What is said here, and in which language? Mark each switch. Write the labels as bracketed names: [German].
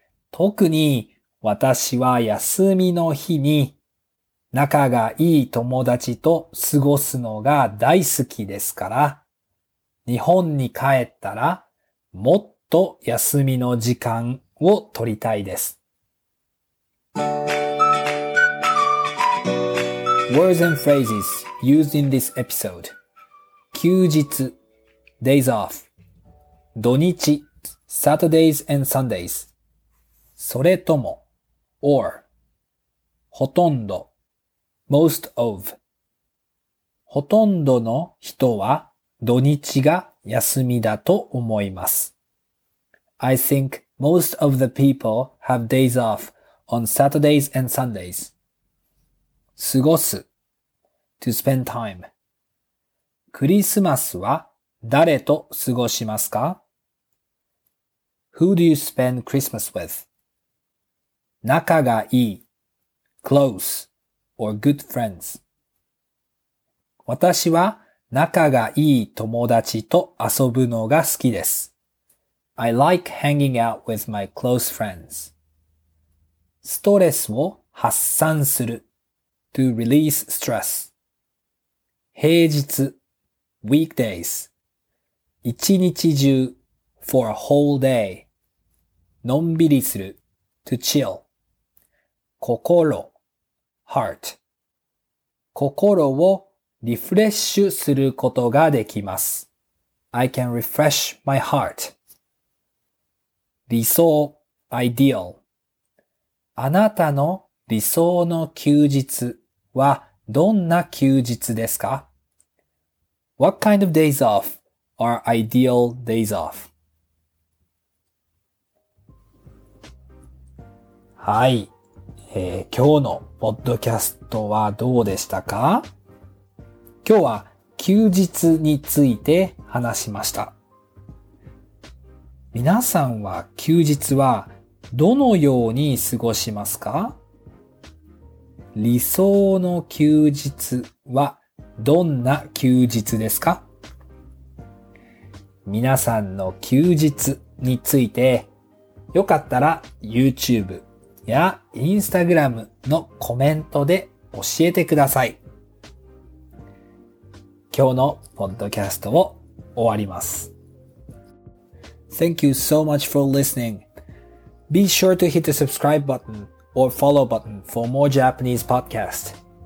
[Japanese] 特に私は休みの日に仲がいい友達と過ごすのが大好きですから、日本に帰ったらもっと休みの時間を取りたいです。 [English] Words and phrases used in this episode. 休日 days off. 土日 Saturdays and Sundays. [Japanese] それとも or ほとんど [English] most of [Japanese] ほとんどの人は土日が休みだと思います。 [English] I think most of the people have days off on Saturdays and Sundays. 過ごす to spend time. [Japanese] クリスマスは誰と過ごしますか? [English] Who do you spend Christmas with? 仲がいい close. Or good friends. [Japanese] 私は仲がいい友達と遊ぶのが好きです。 [English] I like hanging out with my close friends. ストレスを発散する to release stress. 平日 weekdays. 一日中 for a whole day. のんびりする to chill. 心 heart. [Japanese] 心をリフレッシュすることができます。 [English] I can refresh my heart. 理想 ideal. [Japanese] あなたの理想の休日はどんな休日ですか? [English] What kind of days off are ideal days off? [Japanese] はい。今日のポッドキャストはどうでしたか? 今日は休日について話しました。皆さんは休日はどのように過ごしますか? 理想の休日はどんな休日ですか? 皆さんの休日についてよかったら YouTubeやインスタグラムのコメントで教えてください。今日のポッドキャストを終わります。 [English] Thank you so much for listening. Be sure to hit the subscribe button or follow button for more Japanese podcast.